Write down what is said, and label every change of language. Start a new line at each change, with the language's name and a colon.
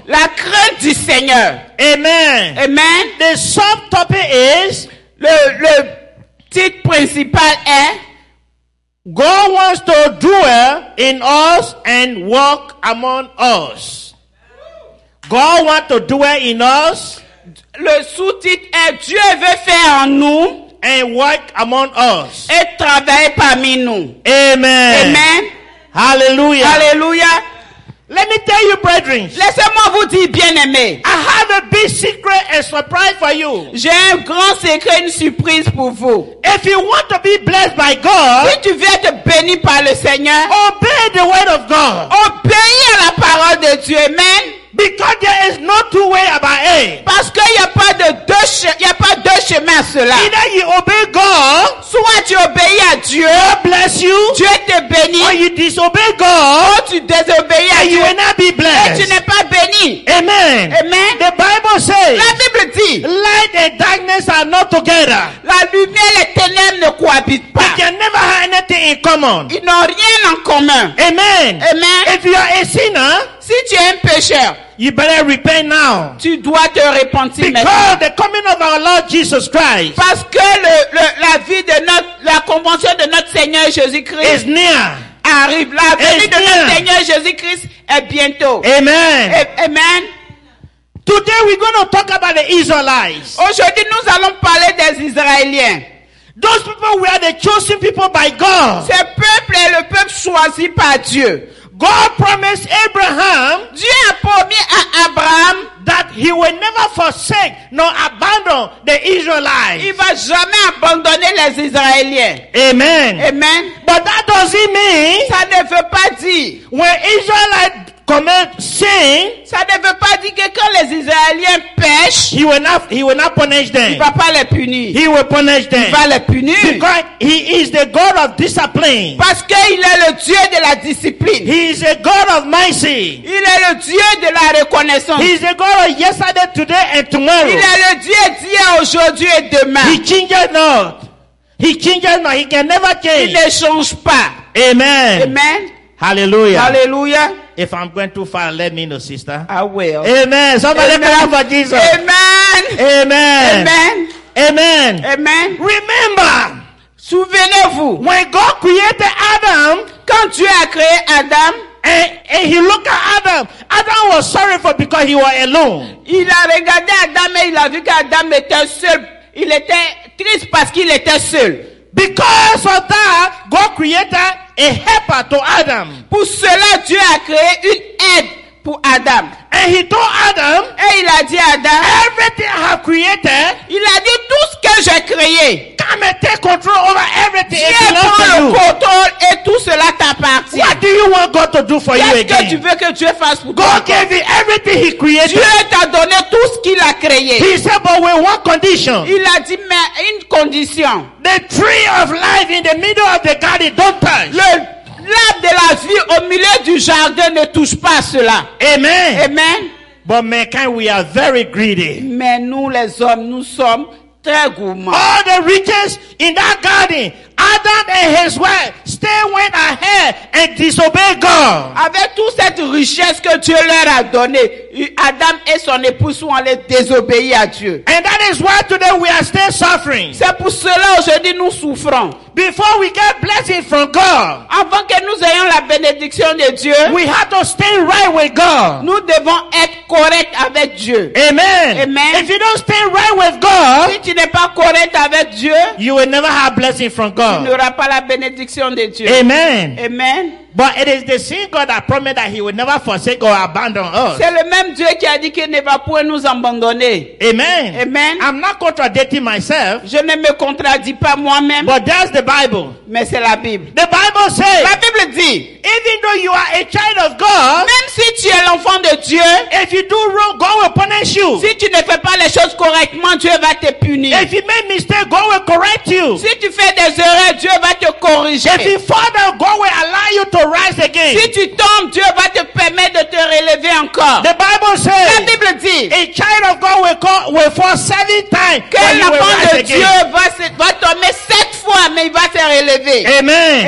French: La crainte du Seigneur. Amen. Amen.
English: The subtopic is.
French: Le titre principal est.
English: God wants to dwell in us and walk among us. God wants to dwell in us.
French: Le sous-titre est Dieu veut faire en nous.
English: And work among us.
French: Et travailler parmi nous. Amen. Amen. Hallelujah. Hallelujah.
English: Let me tell you, brethren.
French: Laissez-moi vous dire, bien-aimés.
English: I have a big secret and surprise for you.
French: J'ai un grand secret, une surprise pour vous.
English: If you want to be blessed by God.
French: Si tu veux être béni par le Seigneur.
English: Obey the word of God.
French: Obéis à la parole de Dieu. Amen.
English: Because there is no two way about it.
French: Parce qu'il y a pas de deux chemins à cela.
English: Either you obey God,
French: soit tu obéis à Dieu.
English: God bless you.
French: Dieu te bénit.
English: Or you disobey God,
French: ou tu désobéis à
English: Dieu. You will not be blessed.
French: Et tu n'es pas béni. Amen. Amen.
English: The Bible says.
French: La Bible dit.
English: Light and darkness are not together.
French: La lumière et les ténèbres ne cohabitent pas.
English: They can never have anything in common.
French: Ils n'ont rien en commun. Amen. Amen.
English: If you are a sinner.
French: Si tu es un pécheur,
English: you better repent now.
French: Tu dois te repentir
English: because
French: maintenant.
English: The coming of our Lord Jesus Christ.
French: Parce que la vie de la convention de notre Seigneur Jésus-Christ
English: is near.
French: Arrive. La venue de notre Seigneur Jésus-Christ est bientôt. Amen. Amen.
English: Today we're going to talk about the Israelites.
French: Aujourd'hui nous allons parler des Israéliens.
English: Those people were the chosen people by God.
French: Ce peuple est le peuple choisi par Dieu.
English: God promised Abraham,
French: Dieu a promis à Abraham
English: that he will never forsake nor abandon the Israelites.
French: Il va jamais abandonner les Israéliens. Amen. Amen.
English: But that doesn't mean
French: ça ne veut pas dire
English: when Israelites commit sin,
French: ça ne veut pas dire que quand les Israéliens pêchent,
English: he will not punish them.
French: Il va pas les punir.
English: He will punish them.
French: Il va les punir.
English: Because he is the God of discipline.
French: Parce qu'il est le Dieu de la discipline.
English: He is a God of mercy.
French: Il est le Dieu de la reconnaissance.
English: He is the God of yesterday, today, and tomorrow.
French: Il est le Dieu d'hier, aujourd'hui et demain.
English: He changes not. He changes not. He can never change.
French: Il ne change pas. Amen. Amen. Hallelujah. Hallelujah.
English: If I'm going too far, let me know, sister. I will. Amen. Somebody pray for Jesus. Amen. Amen. Amen. Amen. Amen. Remember.
French: Souvenez-vous.
English: When God created Adam.
French: Quand Dieu a créé Adam.
English: And he looked at Adam. Adam was sorry for because he was alone.
French: Il a regardé Adam et il a vu qu'Adam était seul. Il était triste parce qu'il était seul.
English: Because of that, God created a helper to Adam.
French: Pour cela, Dieu a créé une aide pour Adam.
English: And he told Adam.
French: Et il a dit à Adam.
English: Everything I have created.
French: Il a dit tout ce que j'ai créé.
English: Come and take control over everything.
French: Dieu prend le contrôle et tout cela t'appartient.
English: What do you want God to do for you again?
French: Qu'est-ce que tu veux que Dieu fasse pour
English: God
French: toi?
English: God gave you everything He created.
French: Dieu t'a donné tout ce qu'il a créé.
English: He said, but with one condition.
French: Il a dit mais une condition.
English: The tree of life in the middle of the garden, don't touch.
French: L'arbre de la vie au milieu du jardin ne touche pas cela. Amen. Amen.
English: But mankind, we are very greedy.
French: Mais nous les hommes, nous sommes très gourmands.
English: All the riches in that garden, Adam and his wife still went ahead and disobeyed God.
French: Avec toute cette richesse que Dieu leur a donnée, Adam et son épouse sont allés désobéir à Dieu.
English: And that is why today we are still suffering.
French: C'est pour cela aujourd'hui nous souffrons.
English: Before we get blessing from God,
French: avant que nous ayons la bénédiction de Dieu,
English: we have to stay right with God.
French: Nous devons être correct avec Dieu. Amen. Amen.
English: If you don't stay right with God,
French: si tu n'es pas correct avec Dieu,
English: you will never have blessing from God.
French: Tu n'auras pas la bénédiction de Dieu. Amen. Amen.
English: But it is the same God that promised that He would never forsake or abandon us.
French: C'est le même Dieu qui a dit qu'il ne va point nous abandonner. Amen. Amen.
English: I'm not contradicting myself.
French: Je ne me contredis pas moi-même.
English: But that's the Bible.
French: Mais c'est la Bible.
English: The Bible says.
French: La Bible dit.
English: Even though you are a child of God.
French: Même si tu es l'enfant de Dieu.
English: If you do wrong, God will punish you.
French: Si tu ne fais pas les choses correctement, Dieu va te punir.
English: If you make mistakes, God will correct you.
French: Si tu fais des erreurs, Dieu va te corriger.
English: If you fall down, God will allow you to rise again.
French: Si tu tombes, Dieu va te permettre de te relever encore.
English: The Bible says,
French: la Bible dit,
English: a child of God will fall 7 times.
French: Que l'enfant de Dieu va tomber 7 fois, mais il va se relever. Amen.